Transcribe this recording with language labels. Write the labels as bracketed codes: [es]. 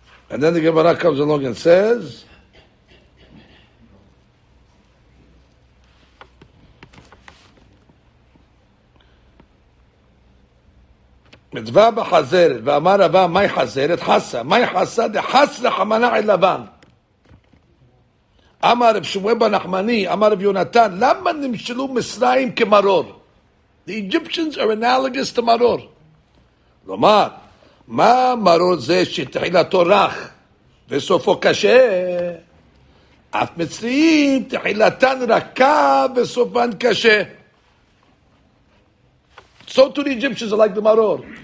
[en] And then the Gemara comes along and says, [he] מדבר בחזרת, ואמר רבא, מהי חזרת? חסה. מהי חסה? דחס לחמנה אל לבן. אמר רב שמואל בן נחמני, אמר רב יונתן, למה נמשלו מצרים כמרור? [en] The Egyptians are analogous to מרור. [he] לומר, מה מרור זה שתחילתו רך וסופו קשה? אף מצרים תחילתן רכה וסופן קשה. [en] So to the Egyptians are like the maror.